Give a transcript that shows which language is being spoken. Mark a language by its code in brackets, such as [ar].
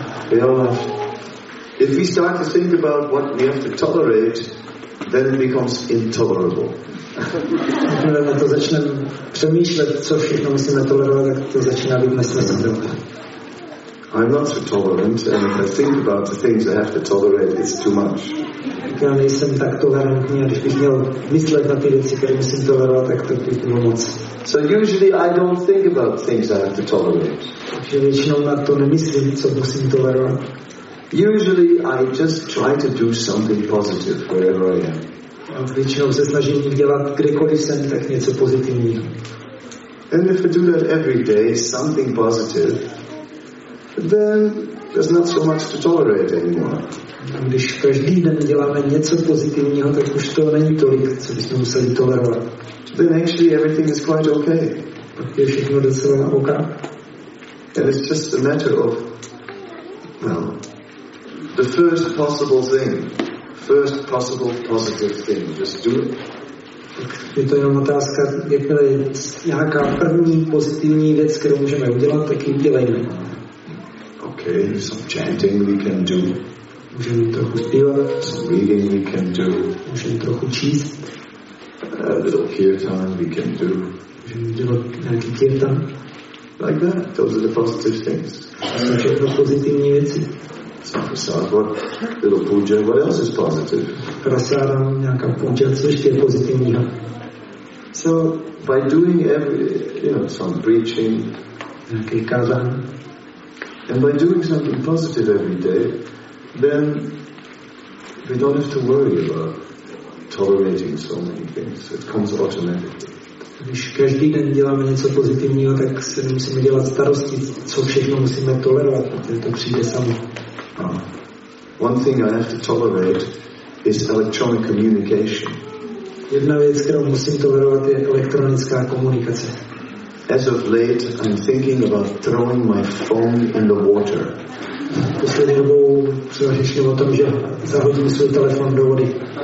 [en] Jo, if we start to think about what we have to tolerate, then it becomes intolerable. [cs] Když na to začneme přemýšlet, co všechno musíme tolerovat, tak to začíná být nesnesitelné. [en] I'm not so tolerant, and if I think about the things I have to tolerate, it's too much. [cs] Já nejsem tak tolerantní, a když bych měl myslet na ty věci, které musím tolerovat, tak to by bylo moc. [en] So usually I don't think about things I have to tolerate. [cs] Takže většinou na to nemyslím, co musím tolerovat. [en] Usually I just try to do something positive wherever I am. [cs] A většinou se snažím dělat kdekoliv jsem, tak něco pozitivního. [en] And if I do that every day, something positive, then there's not so much to tolerate anymore. [cs] A když každý den děláme něco pozitivního, tak už to není tolik, co bychom museli tolerovat. [en] Then actually everything is quite okay. [cs] Pak je všechno docela na oka. [en] And it's just a matter of, well, the first possible thing. First possible positive thing. Just do it. [cs] Je to jenom otázka, jakmile je nějaká první pozitivní věc, kterou můžeme udělat, tak ji udělejme. [en] Okay, some chanting we can do. [cs] Můžeme trochu zpívat. [en] Some reading we can do. [cs] Můžeme trochu číst. [en] A little kirtan we can do. [cs] Můžeme dělat nějaký kirtan. [en] Like that. Those are the positive things. [cs] To jsou všechno pozitivní věci. [en] Prasadam, what little puja, what else is positive? [cs] Prasadam, nějaká puja, co ještě je pozitivního. [en] So, by doing every, you know, some preaching, [cs] nějaký kazan, [en] and by doing something positive every day, then we don't have to worry about tolerating so many things. It comes automatically. [cs] Když každý den děláme něco pozitivního, tak se nemusíme dělat starosti, co všechno musíme tolerovat, protože to přijde samo. [en] One thing I have to tolerate is electronic communication. [cs] Jedna věc, kterou musím tolerovat, je elektronická komunikace. [en] As of late, I'm thinking about throwing my phone in the water. [cs] Poslední dobou přemýšlím o tom, že zahodím svůj telefon do vody.